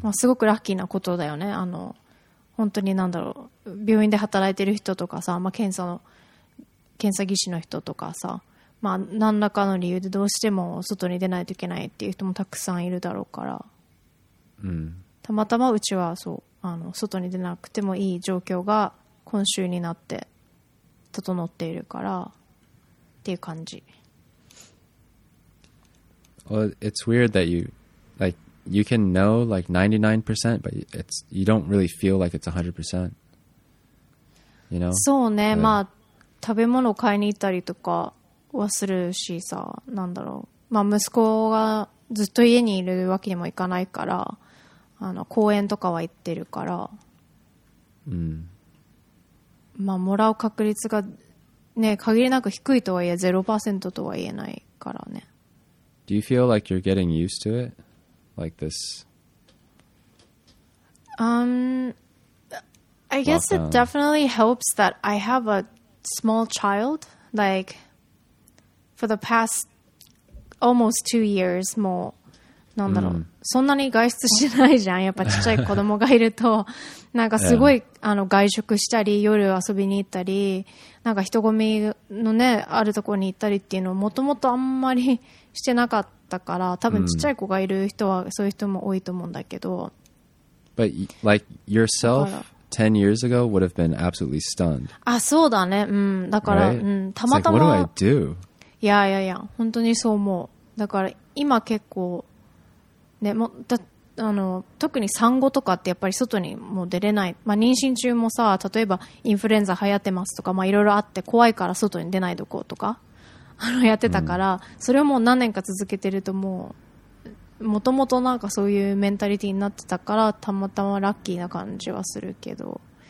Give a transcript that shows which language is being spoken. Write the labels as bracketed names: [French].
[Japanese] まあ、すごくラッキーなことだよね。あの本当に何だろう、病院で働いてる人とかさ、まあ、検査技師の人とかさ、まあ、何らかの理由でどうしても外に出ないといけないっていう人もたくさんいるだろうから、うん、たまたまうちはそうあの外に出なくてもいい状況が今週になって整っているからっていう感じ。 [English] Well, it's weird that you like you can know like 99% but it's you don't really feel like it's 100%. You know? [Japanese] そうね、yeah. まあ食べ物買いに行ったりとかはするしさ、なんだろう、まあ息子がずっと家にいるわけにもいかないからあの公園とかは行ってるから、うん、まあ、もらう確率が、ね、限りなく低いとはいえ 0% とは言えないからね。 [English] Do you feel like you're getting used to it? Like this? I guess it definitely helps that I have a small child. Like for the past almost 2 years [Japanese] もう、なんだろう、そんなに外出しないじゃん。やっぱちっちゃい子供がいるとなんかすごい、yeah. あの外食したり夜遊びに行ったりなんか人混みのねあるところに行ったりっていうのをもともとあんまりしてなかったから、多分ちっちゃい子がいる人はそういう人も多いと思うんだけど、 [English] But like yourself 10 years ago would have been absolutely stunned. [Japanese] あ、そうだね、うん、だから、 [English] right? [Japanese] うん、たまたま、 [English] like, what do I do? [Japanese] いやいやいや本当にそう思う。だから今結構ね、もだあの特に産後とかってやっぱり外にもう出れない、まあ、妊娠中もさ例えばインフルエンザ流行ってますとかいろいろあって怖いから外に出ないどことかあのやってたから、うん、それをもう何年か続けてるともうもともとなんかそういうメンタリティになってたからたまたまラッキーな感じはするけど、